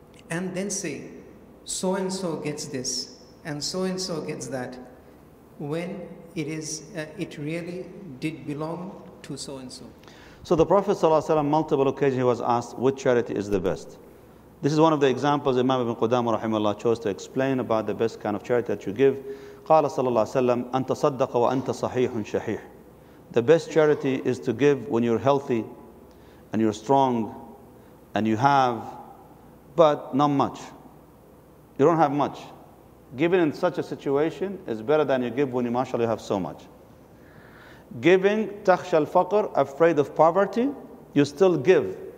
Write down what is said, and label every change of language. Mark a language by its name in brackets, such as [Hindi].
[English] and then say, so and so gets this and so gets that, when it is it really did belong to so and so. So the Prophet ﷺ, multiple occasions he was asked, which charity is the best? This is one of the examples Imam Ibn Qudamah rahimahullah chose to explain about the best kind of charity that you give. [Arabic] قال صلى الله عليه وسلم أن تصدق وأنت صحيح شحيح. [English] The best charity is to give when you're healthy and you're strong and you have, but not much. You don't have much. Giving in such a situation is better than you give when you, mashallah, you have so much. Giving, [Arabic] تخشى الفقر, [English] afraid of poverty, you still give.